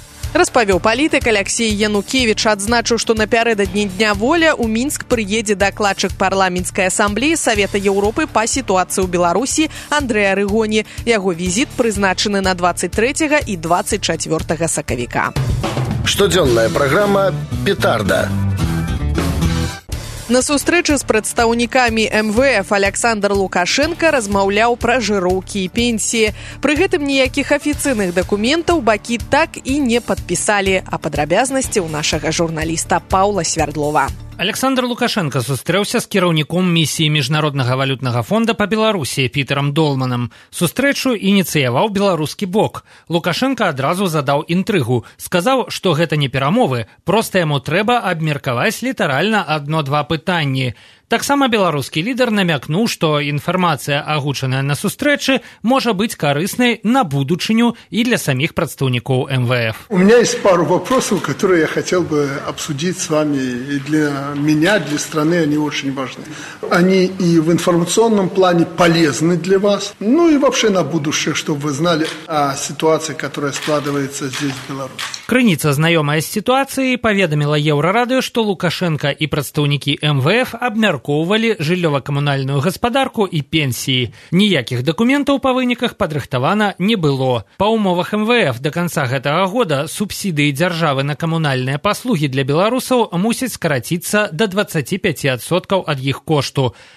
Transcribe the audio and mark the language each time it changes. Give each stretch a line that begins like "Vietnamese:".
Belarusian: Распавёў палітык Алексей Янукевіч, адзначыў, што напярэдадні Дня воля ў Мінск прыедзе дакладчык парламенцкай асамблеі Савета Еўропы па сітуацыі ў Беларусі Андрэя Рыгоні. Яго візіт прызначаны на 23 і 24 сакавіка. Штодзённая праграма «Петарда». На сустрэчы з прадстаўнікамі МВФ Александр Лукашэнка размаўляў пра жыроўкі і пенсіі. Пры гэтым ніякіх афіцыйных дакументаў бакі так і не падпісалі, а падрабязнасці ў нашага журналіста Паўла Свярдлова. Александр Лукашенко сустрэўся з кіраўніком місіі Міжнароднага валютнага фонда па Беларусі Пітэрам Долманам. Сустрэчу ініцыяваў беларускі бок. Лукашенко адразу задаў інтрыгу. Сказаў, што гэта не перамовы, проста яму трэба абмеркаваць літаральна адно-два пытанні. Таксама беларускі лідар намякнуў, што інфармацыя, агучаная на сустрэчы, можа быць карыснай на будучыню і для саміх прадстаўнікоў МВФ.
Russian: У меня есть пару вопросов, которые я хотел бы обсудить с вами. И для меня, для страны они очень важны. Они и в информационном плане полезны для вас, ну и вообще на будущее, чтобы вы знали о ситуации, которая складывается здесь в Беларуси.
Belarusian: Крыніца, знаёмая з сітуацыяй, паведаміла Еўрарадыё, што Лукашэнка і прадстаўнікі МВФ абмяркоўвалі жыллёва-камунальную гаспадарку і пенсіі. Ніякіх дакументаў па выніках падрыхтавана не было. Па умовах МВФ да канца гэтага года субсідыі дзяржавы на камунальныя паслугі для беларусаў мусяць скараціцца да 25% ад іх кошту.